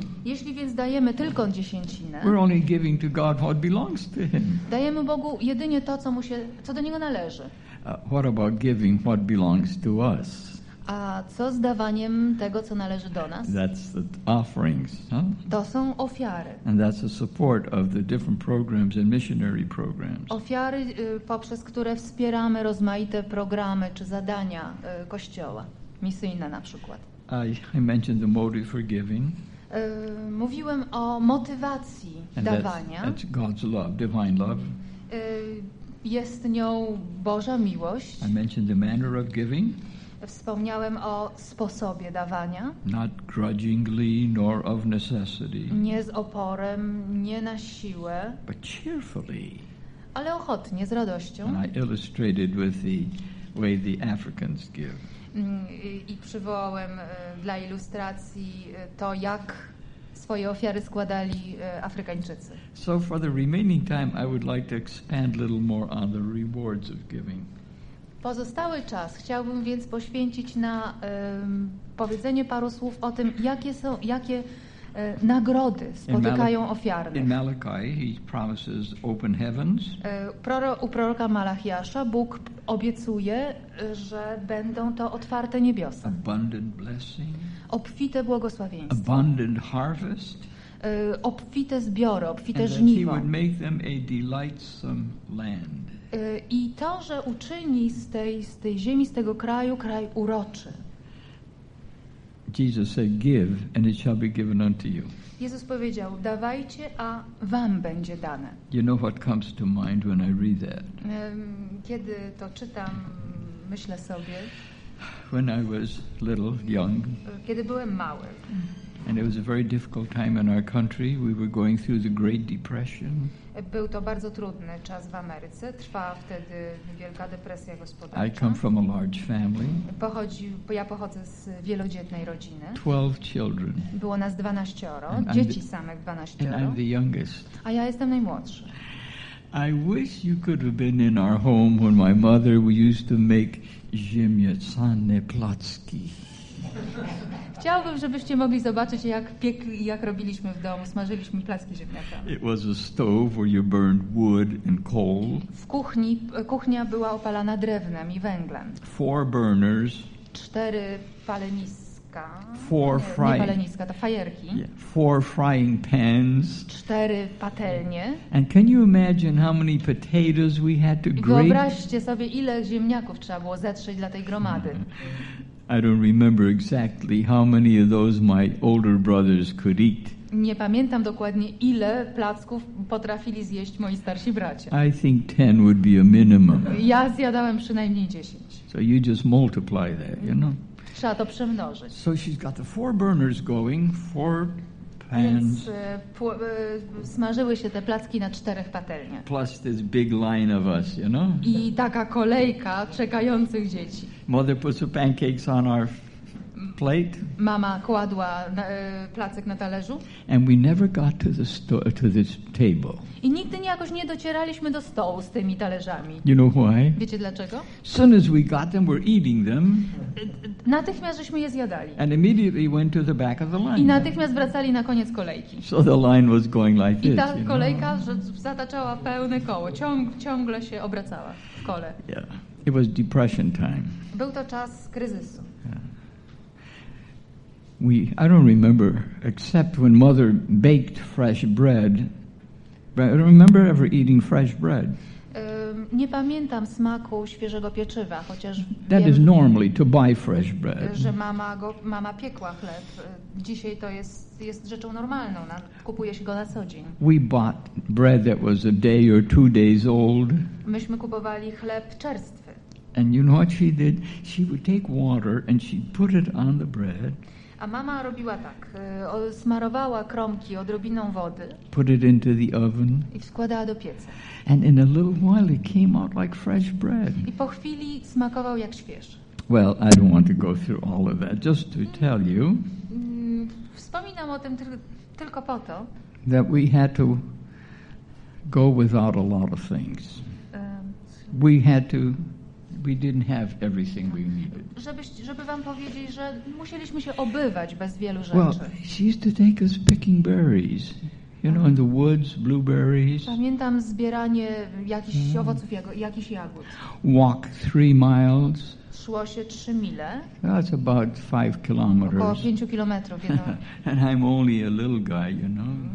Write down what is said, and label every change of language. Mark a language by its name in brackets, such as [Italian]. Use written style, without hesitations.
[Polish] jeśli więc dajemy tylko dziesięcinę, [English] we're only giving to God what belongs to him. [Polish] Dajemy Bogu jedynie to, co do Niego należy. [English] What about giving what belongs to us? [Polish] A co z dawaniem tego, co należy do nas? [English] That's the offerings, huh? [Polish] To są ofiary. [English] And that's the support of the different programs and missionary programs. [Polish] Ofiary, poprzez które wspieramy rozmaite programy czy zadania Kościoła, misyjne na przykład. [English] I mentioned the motive for giving. [Polish] Mówiłem o motywacji dawania. [English] That's God's love, divine love. [Polish] Jest nią Boża miłość. [English] I mentioned the manner of giving. [Polish] Wspomniałem o sposobie dawania. [English] Not grudgingly, nor of necessity. [Polish] Nie z oporem, nie na siłę. [English] But cheerfully. [Polish] Ale ochotnie, z radością. [English] And I illustrated with the way the Africans give. [Polish] I przywołałem dla ilustracji to, jak swoje ofiary składali Afrykańczycy. [English] So for the remaining time, I would like to expand a little more on the rewards of giving. [Polish] Pozostały czas chciałbym więc poświęcić na powiedzenie paru słów o tym, jakie nagrody spotykają ofiarnych. [English] In Malachi he promises open heavens. [Polish] U proroka Malachiasza Bóg obiecuje, że będą to otwarte niebiosa. [English] Abundant blessing. [Polish] Obfite błogosławieństwo. [English] Abundant harvest. [Polish] Obfite zbiory, obfite [English] and [Polish] żniwo. [English] And he would make them a delightsome land. [Polish] I to, że uczyni z tej ziemi, z tego kraju, kraj uroczy. [English] Jesus said, give, and it shall be given unto you. [Polish] Jezus powiedział, dawajcie, a wam będzie dane. [English] You know what comes to mind when I read that? [Polish] Kiedy to czytam, myślę sobie. [English] When I was little, young. [Polish] Kiedy byłem mały. [English] And it was a very difficult time in our country. We were going through the Great Depression. [Polish] Był to bardzo trudny czas w Ameryce. Trwała wtedy wielka depresja gospodarcza. [English] I come from a large family. [Polish] Ja pochodzę z wielodzietnej rodziny. [English] 12 children. [Polish] Było nas 12. Dzieci samych 12. [English] And I'm the youngest. [Polish] A ja jestem najmłodszy. [English] I wish you could have been in our home when my mother we used to make [Polish] ziemniaczane placki. Chciałbym, żebyście mogli zobaczyć, jak robiliśmy w domu, smażyliśmy placki ziemniaka. [English] It was a stove where you burned wood and coal. [Polish] W kuchni, kuchnia była opalana drewnem i węglem. [English] Four burners. [Polish] Cztery paleniska. [English] Four [Polish] nie paleniska, to fajerki. [English] Yeah. Four frying pans. [Polish] Cztery patelnie. [English] And can you imagine how many potatoes we had to grate? [Polish] Wyobraźcie sobie, ile ziemniaków trzeba było zetrzeć dla tej gromady. [English] I don't remember exactly how many of those my older brothers could eat. [Polish] Nie pamiętam dokładnie, ile placków potrafili zjeść moi starsi bracia. [English] I think 10 would be a minimum. [Polish] Ja zjadałem przynajmniej 10. [English] So you just multiply that, you know. [Polish] Trzeba to przemnożyć. [English] So she's got the four burners going, four pans. [Polish] Więc smażyły się te placki na czterech patelniach. [English] Plus this big line of us, you know. [Polish] I taka kolejka czekających dzieci. [English] Mother puts the pancakes on our plate. [Polish] Mama kładła placek na talerzu. [English] And we never got to the to this table. [Polish] I nigdy jakoś nie docieraliśmy do stołu z tymi talerzami. [English] You know why? [Polish] Wiecie dlaczego? [English] As soon as we got them, we're eating them. [Polish] Natychmiast żeśmy je zjadali. [English] And immediately went to the back of the line. [Polish] I natychmiast wracali na koniec kolejki. [English] So the line was going like this. [Polish] I ta kolejka zataczała pełne koło, ciągle się obracała w kole. [English] Yeah. It was depression time. [Polish] Był to czas kryzysu. [English] I don't remember, except when mother baked fresh bread. But I don't remember ever eating fresh bread. [Polish] Nie pamiętam smaku świeżego pieczywa, chociaż [English] that [Polish] wiem, [English] is normally to buy fresh bread. [Polish] Że mama piekła chleb. Dzisiaj to jest rzeczą normalną. Kupuje się go na co dzień. [English] We bought bread that was a day or two days old. [Polish] Myśmy kupowali chleb czerstwy. [English] And you know what she did? She would take water and she'd put it on the bread. [Polish] A mama robiła tak, smarowała kromki odrobiną wody. [English] Put it into the oven. [Polish] I wkładała do pieca. [English] And in a little while it came out like fresh bread. [Polish] I po chwili smakował jak świeży. [English] Well, I don't want to go through all of that, just to tell you. [Polish] Wspominam o tym tylko po to, [English] that we had to go without a lot of things. We didn't have everything we needed. [Polish] Żeby wam powiedzieć, że musieliśmy się obywać bez wielu rzeczy. [English] Well, she used to take us picking berries, you know, in the woods, blueberries. [Polish] Pamiętam zbieranie jakichś owoców, jakichś jagód. [English] Walk 3 miles. [Polish] Szło się 3 mile. [English] That's about 5 kilometers. [Polish] Około 5 kilometrów, [English] you know. And I'm only a little guy, you know.